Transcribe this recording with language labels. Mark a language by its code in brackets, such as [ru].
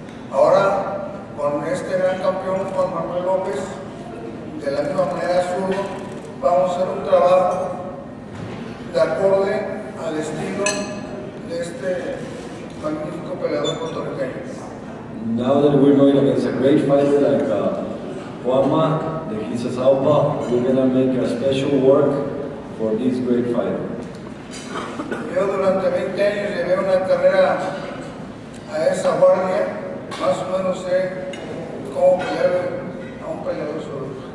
[es] Ahora, con este gran campeón, Juan Manuel López, de la misma manera zurdo, vamos a hacer un trabajo de acorde al estilo de este magnífico peleador puertorriqueño. [en] Now that we're going against a great fighter like Juanma, the Hisa Saupa, we're going to make a special work for this great fighter. [es] Yo durante 20 años llevé una carrera a esa guardia, más o menos sé cómo pelear a un peleador solo.